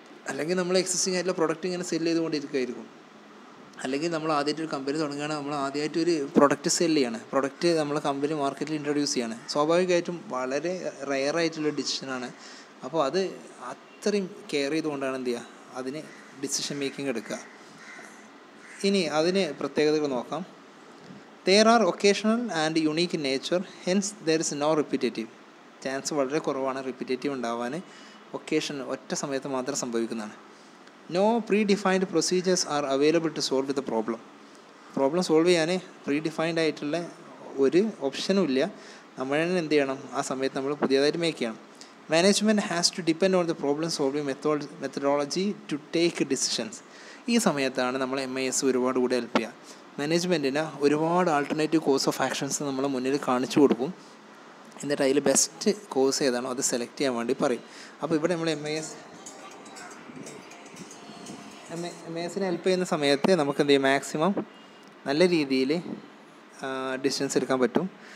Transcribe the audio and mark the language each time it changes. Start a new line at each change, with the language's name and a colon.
Malayalam: അല്ലെങ്കിൽ നമ്മൾ എക്സിസ്റ്റിംഗ് ആയിട്ടുള്ള പ്രൊഡക്റ്റ് ഇങ്ങനെ സെല് ചെയ്തുകൊണ്ടിരിക്കുമായിരിക്കും. അല്ലെങ്കിൽ നമ്മൾ ആദ്യമായിട്ട് ഒരു കമ്പനി തുടങ്ങുകയാണ്, നമ്മൾ ആദ്യമായിട്ട് ഒരു പ്രൊഡക്റ്റ് സെല് ചെയ്യാണ്, പ്രൊഡക്റ്റ് നമ്മളെ കമ്പനി മാർക്കറ്റിൽ ഇൻട്രൊഡ്യൂസ് ചെയ്യാണ്, സ്വാഭാവികമായിട്ടും വളരെ റയറായിട്ടുള്ള ഡിസിഷനാണ്. അപ്പോൾ അത് അത്രയും കെയർ ചെയ്തുകൊണ്ടാണ് എന്ത് ചെയ്യുക, അതിന് ഡിസിഷൻ മേക്കിംഗ് എടുക്കുക. ഇനി അതിന് പ്രത്യേകതകൾ നോക്കാം.
English: There are occasional and unique in nature, hence there is no repetitive.
Malayalam: Chance വളരെ കുറവാണ് റിപ്പീറ്റേറ്റീവ് ഉണ്ടാവാൻ, ഒക്കേഷൻ ഒറ്റ സമയത്ത് മാത്രം സംഭവിക്കുന്നതാണ്.
English: No predefined procedures are available to solve the problem.
Malayalam: Problem solve ചെയ്യാൻ പ്രീഡിഫൈൻഡ് ആയിട്ടുള്ള ഒരു ഓപ്ഷനും ഇല്ല. നമ്മൾ എന്ത് ചെയ്യണം, ആ സമയത്ത് നമ്മൾ പുതിയതായിട്ട് മേക്ക് ചെയ്യണം.
English: Management has to depend on the problem solving methodology to take decisions.
Malayalam: ഈ സമയത്താണ് നമ്മൾ MIS ഒരുപാട് കൂടെ ഹെൽപ്പ് ചെയ്യുക. മാനേജ്മെൻറ്റിന് ഒരുപാട് ആൾട്ടർനേറ്റീവ് കോഴ്സ് ഓഫ് ആക്ഷൻസ് നമ്മൾ മുന്നിൽ കാണിച്ചു കൊടുക്കും, എന്നിട്ട് അതിൽ ബെസ്റ്റ് കോഴ്സ് ഏതാണോ അത് സെലക്ട് ചെയ്യാൻ വേണ്ടി പറയും. അപ്പോൾ ഇവിടെ നമ്മൾ എം ഐ എസിനെ ഹെൽപ്പ് ചെയ്യുന്ന സമയത്ത് നമുക്ക് എന്ത് ചെയ്യാം, മാക്സിമം നല്ല രീതിയിൽ ഡിസിഷൻസ് എടുക്കാൻ പറ്റും.